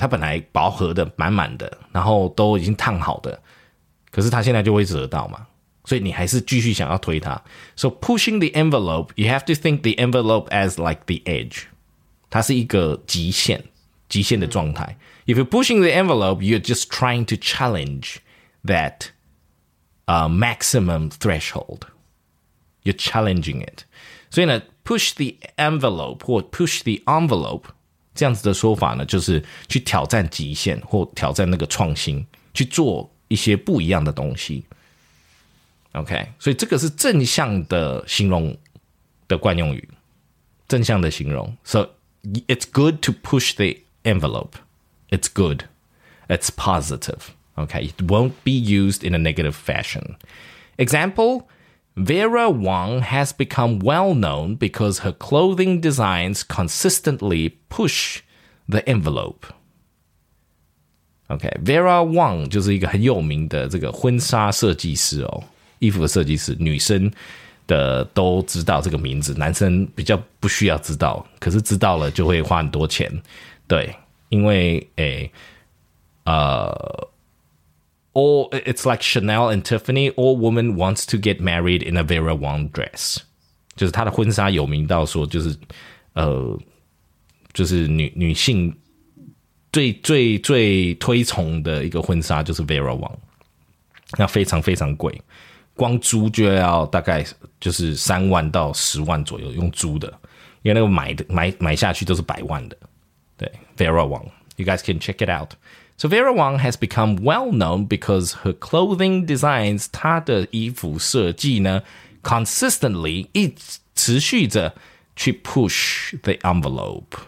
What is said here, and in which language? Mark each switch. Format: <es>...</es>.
<zh>它本来薄合的满满的，然后都已经烫好的，可是它现在就会折到嘛，所以你还是继续想要推它。</zh> <en>So pushing the envelope, you have to think the envelope as like the edge.</en> <zh>它是一个极限的状态。</zh> <en>If you're pushing the envelope, you're just trying to challenge that maximum threshold. You're challenging it.</en> <zh>所以呢</zh> <en>push the envelope</en> <zh>或 push the envelope 这样子的说法呢，就是去挑战极限或挑战那个创新，去做一些不一样的东西。</zh> <en>OK，</en> <zh>所以这个是正向的形容的惯用语，正向的形容。</zh> <en>So it's good to push the envelope. It's good. It's positive. OK, it won't be used in a negative fashion. Example, Vera Wang has become well known because her clothing designs consistently push the envelope.</en> <zh>OK, Vera Wang 就是一个很有名的这个婚纱设计师哦，衣服的设计师，女生的都知道这个名字，男生比较不需要知道，可是知道了就会花很多钱。对，因为诶，</zh> <en>it's like Chanel and Tiffany, all woman wants to get married in a Vera Wang dress.</en> <zh>就是她的婚纱有名到说，就是女性。最推崇的一个婚纱就是 Vera Wang， 那非常非常贵，光租就要大概就是3万到10万左右，用租的，因为那个买下去都是百万的。对</zh> <en>，Vera Wang， you guys can check it out. So Vera Wang has become well known because her clothing designs，</en> <zh>她的衣服设计呢</zh> <en>，consistently</en> <zh>一持续着去</zh> <en>push the envelope。</en>